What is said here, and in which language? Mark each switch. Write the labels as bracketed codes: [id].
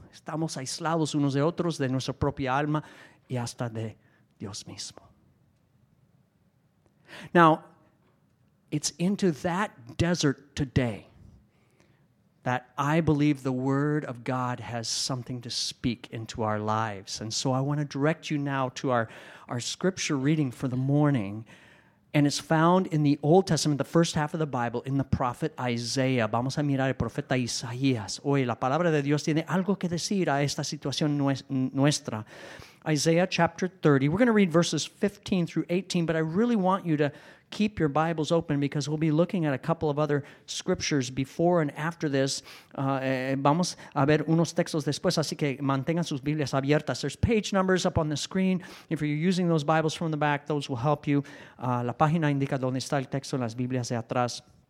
[es] Estamos aislados unos de otros, de nuestra propia alma y hasta de Dios mismo. [en] Now, it's into that desert today that I believe the Word of God has something to speak into our lives. And so I want to direct you now to our scripture reading for the morning. And it's found in the Old Testament, the first half of the Bible, in the prophet Isaiah. [es] Vamos a mirar el profeta Isaías. Hoy la palabra de Dios tiene algo que decir a esta situación nuestra. [en] Isaiah chapter 30. We're going to read verses 15 through 18, but I really want you to keep your Bibles open because we'll be looking at a couple of other scriptures before and after this. [es] Vamos a ver unos textos después, así que mantengan sus Biblias abiertas. [en] There's page numbers up on the screen. If you're using those Bibles from the back, those will help you. [es] La página indica dónde está el texto en las Biblias de atrás.